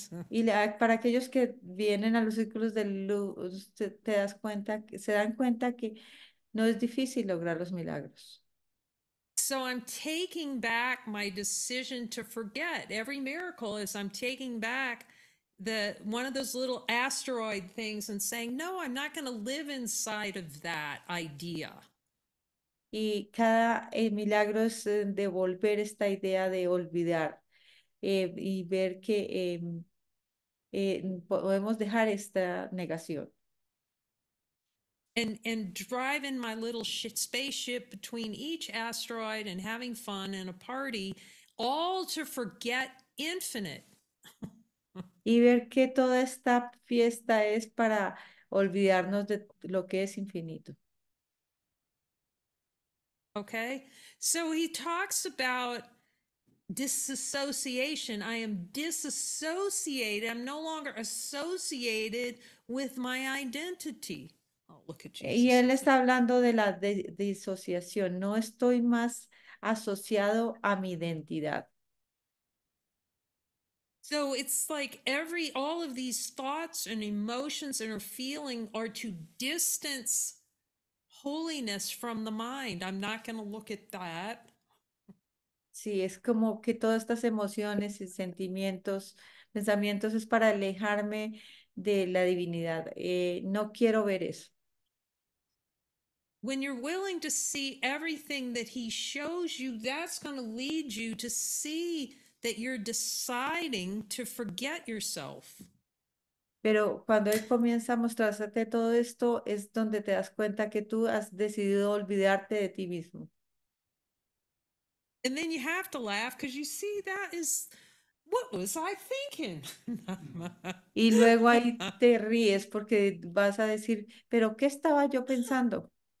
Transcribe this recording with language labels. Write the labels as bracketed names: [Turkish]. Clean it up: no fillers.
[Spanish] Y para aquellos que vienen a los círculos de luz, te das cuenta que se dan cuenta que no es difícil lograr los milagros. [English] So I'm taking back my decision to forget. Every miracle is I'm taking back the one of those little asteroid things and saying, no, I'm not going to live inside of that idea. [Spanish] Y cada milagro es devolver esta idea de olvidar y ver que podemos dejar esta negación. [English] And driving my little spaceship between each asteroid and having fun and a party, all to forget infinite. [Spanish] Y ver que toda esta fiesta es para olvidarnos de lo que es infinito. [English] Okay, so he talks about disassociation. I am disassociated, I'm no longer associated with my identity. Oh, look at [Spanish] Y [English] Jesus. [Spanish] él está hablando de la disociación. No estoy más asociado a mi identidad. [English] So it's like every all of these thoughts and emotions and feeling are to distance holiness from the mind. I'm not going to look at that. [Spanish] Sí, es como que todas estas emociones y sentimientos, pensamientos, es para alejarme de la divinidad. No quiero ver eso. [English] When you're willing to see everything that he shows you, that's going to lead you to see that you're deciding to forget yourself. [Spanish] Pero cuando él comienza a mostrarte todo esto, es donde te das cuenta que tú has decidido olvidarte de ti mismo. [English] Then you have to laugh because you see that is What was I thinking? [Spanish] Y luego ahí te ríes porque vas a decir, pero ¿qué estaba yo pensando?